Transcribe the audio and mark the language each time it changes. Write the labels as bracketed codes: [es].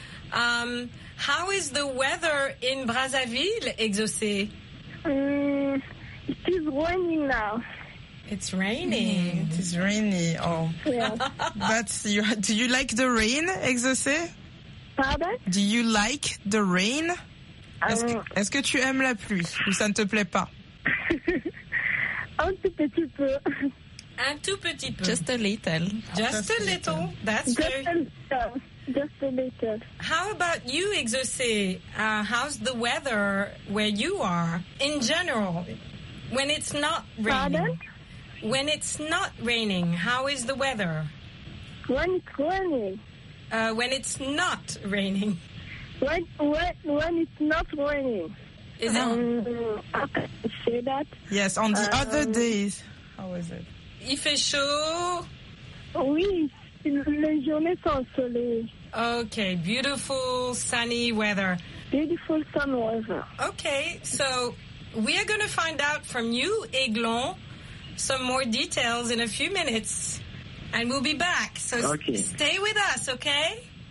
[en] How is the weather in Brazzaville, Exaucé? It is raining now. It's raining. Mm. It is rainy. Oh. Yeah. Do you like the rain, Exaucé? [fr] Pardon? [en] Do you like the rain? [fr] Est-ce que tu aimes la pluie ou ça ne te plaît pas? Un tout petit peu. Un tout petit peu. [en] Just a little. Just a little. That's good. Just a little. How about you, Exaucé? How's the weather where you are in general? When it's not raining? [fr] Pardon? [en] When it's not raining, how is the weather? When it's raining. When it's not raining. When it's not raining. Is it? How can I say that? Yes, on the other days. How is it? [fr] Il fait chaud. Oui, les journées sont soleil. [en] Okay, beautiful sunny weather. Beautiful sun weather. Okay, so we are going to find out from you, Aiglon, some more details in a few minutes, and we'll be back. So okay. Stay with us, okay?